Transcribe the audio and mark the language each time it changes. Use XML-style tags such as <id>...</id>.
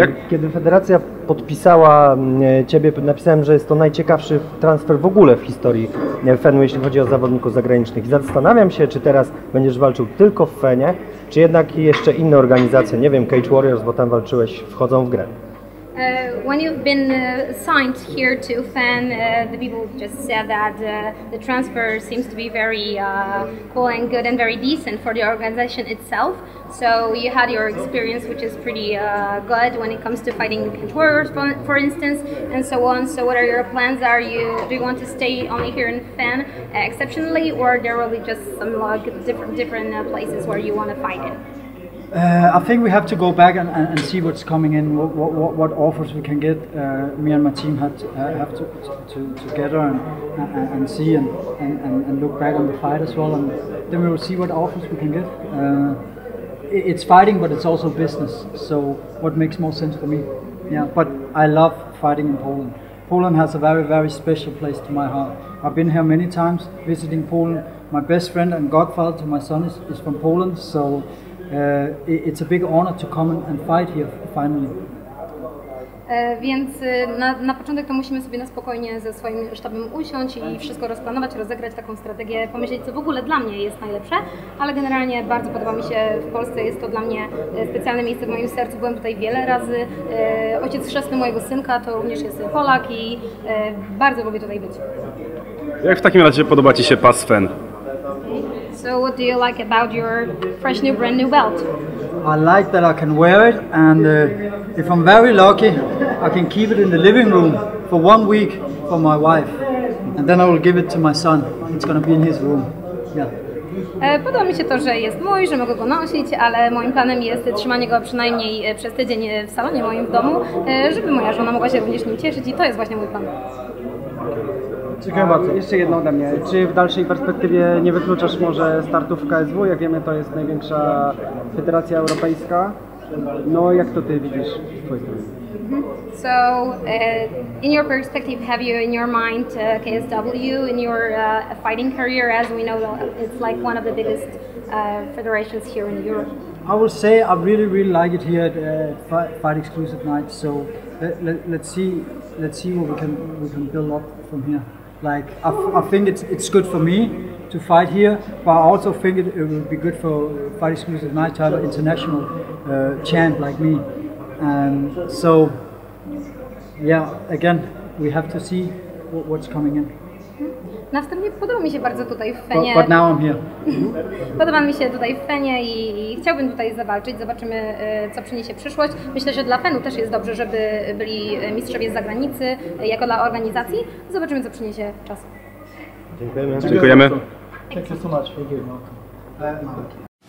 <pl>Kiedy federacja podpisała ciebie, napisałem, że jest to najciekawszy transfer w ogóle w historii Fenu, jeśli chodzi o zawodników zagranicznych. I zastanawiam się, czy teraz będziesz walczył tylko w Fenie, czy jednak jeszcze inne organizacje, nie wiem, Cage Warriors, bo tam walczyłeś, wchodzą w grę.</pl> <en>When you've been signed here to FEN, the people just said that the transfer seems to be very cool and good and very decent for the organization itself. So you had your experience, which is pretty good when it comes to fighting the Cage Warriors, for instance, and so on. So what are your plans? Do you want to stay only here in FEN exceptionally, or there will be just some different places where you want to fight in? I think we have to go back and see what's coming in, what offers we can get. Me and my team have to together and see and look back on the fight as well, and then we will see what offers we can get. It's fighting, but it's also business, so what makes more sense for me? Yeah, but I love fighting in Poland. Poland has a very, very special place to my heart. I've been here many times visiting Poland. My best friend and godfather to my son is from Poland, so it's a big honor to come and fight here finally.</en> <pl>Więc na początek to musimy sobie na spokojnie ze swoim sztabem usiąść i wszystko rozplanować, rozegrać taką strategię, pomyśleć, co w ogóle dla mnie jest najlepsze, ale generalnie bardzo podoba mi się w Polsce, jest to dla mnie specjalne miejsce w moim sercu, byłem tutaj wiele razy. Ojciec chrzestny mojego synka to również jest Polak i bardzo lubię tutaj być. Jak w takim razie podoba ci się pas FEN?</pl> <en>So what do you like about your fresh new brand new belt? I like that I can wear it, and if I'm very lucky, I can keep it in the living room for 1 week for my wife, and then I will give it to my son. It's gonna be in his room. Yeah.</en> <pl>Podoba mi się to, że jest mój, że mogę go nosić, ale moim planem jest trzymanie go przynajmniej przez tydzień w salonie moim w domu, żeby moja żona mogła się również nim cieszyć, i to jest właśnie mój plan. Dziękuję bardzo. Jeszcze jedno ode mnie. Czy w dalszej perspektywie nie wykluczasz może startu w KSW? Jak wiemy, to jest największa federacja europejska. No, jak to ty widzisz w twojej stronie?</pl> <en>So, in your perspective, have you in your mind KSW in your fighting career? As we know, it's like one of the biggest federations here in Europe. I will say I really, really like it here at Fight Exclusive Night. So, let's see what we can build up from here. Like I think it's good for me to fight here, but I also think it will be good for Fight Exclusive Night to have an international champ like me. And so, yeah, again, we have to see what's coming in.</en> <pl>Następnie podoba mi się bardzo tutaj w Fenie.</pl> <en>But now I'm here.</en> <pl>Podoba mi się tutaj w Fenie i chciałbym tutaj zawalczyć. Zobaczymy, co przyniesie przyszłość. Myślę, że dla Fenu też jest dobrze, żeby byli mistrzowie z zagranicy, jako dla organizacji. Zobaczymy, co przyniesie czas. Dziękujemy. Dziękujemy.</pl> <en>Thank you so much. Thank you.</en>